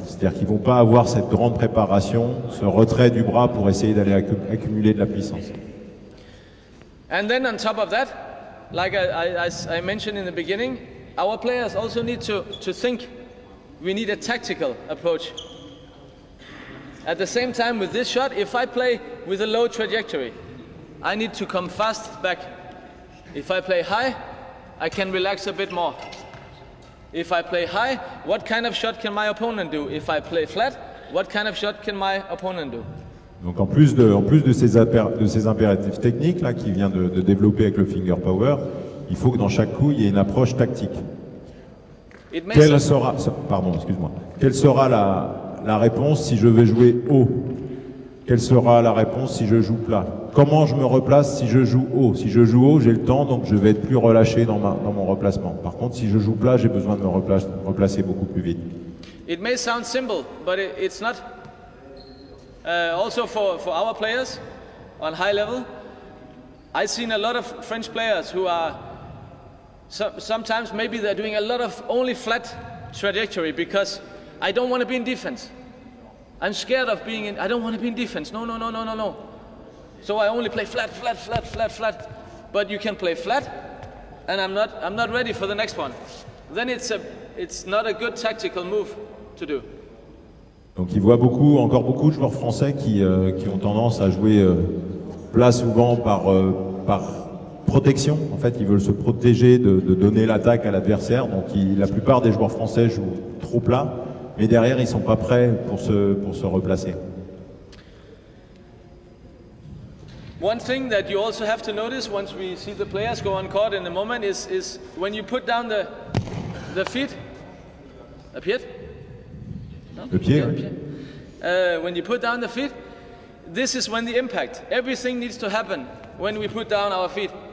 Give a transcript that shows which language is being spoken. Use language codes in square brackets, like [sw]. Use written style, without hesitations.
[fr] C'est-à-dire qu'ils ne vont pas avoir cette grande préparation, ce retrait du bras pour essayer d'aller accumuler de la puissance. [en] And then on top of that, like I mentioned in the beginning, our players also need to think we need a tactical approach. At the same time with this shot, if I play with a low trajectory, I need to come fast back. If I play high, I can relax a bit more. If I play high, what kind of shot can my opponent do? If I play flat, what kind of shot can my opponent do? [fr] Donc en plus de ces impératifs techniques là qui vient de développer avec le finger power, il faut que dans chaque coup il y ait une approche tactique. Quelle sera la réponse si je vais jouer haut? Quelle sera la réponse si je joue plat? Comment je me replace si je joue haut? Si je joue haut, j'ai le temps, donc je vais être plus relâché dans mon replacement. Par contre, si je joue plat, j'ai besoin de me replacer beaucoup plus vite. [en] It may sound simple, but it's not. Also for our players on high level, I've seen a lot of French players who are sometimes maybe they're doing a lot of only flat trajectory because I don't want to be in defense. I'm scared of being in. I don't want to be in defense. No. So I only play flat. But you can play flat, and I'm not ready for the next one. Then it's not a good tactical move to do. [fr] Donc il voit encore beaucoup de joueurs français qui ont tendance à jouer plat souvent par protection. En fait, ils veulent se protéger de donner l'attaque à l'adversaire. Donc la plupart des joueurs français jouent trop plat. Mais derrière, ils sont pas prêts pour se replacer. [en] One thing that you also have to notice once we see the players go on court in a moment is when you put down the feet. [fr] A pied? Le pied. Oui. [en] When you put down the feet, this is when the impact. Everything needs to happen when we put down our feet.